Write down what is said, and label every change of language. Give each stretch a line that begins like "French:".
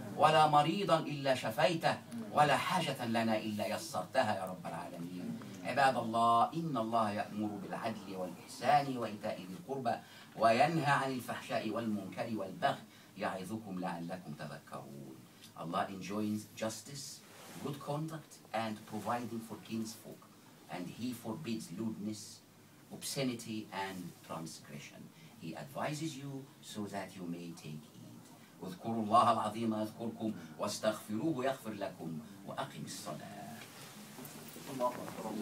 Arabic: ولا مريضا إلا شفيته، ولا حاجة لنا إلا يسرتها يا رب العالمين. عباد الله، إن الله يأمر بالعدل والإحسان وإيتاء ذي القربى وينهى عن الفحشاء والمنكر والبغي يعظكم لعلكم تذكرون.
English: الله enjoins justice, good conduct and providing for kinsfolk, and he forbids lewdness, obscenity and transgression. He advises you so that you may take heed.
Arabic: اذكروا الله العظيم يذكركم واستغفروه يغفر لكم وأقم الصلاة.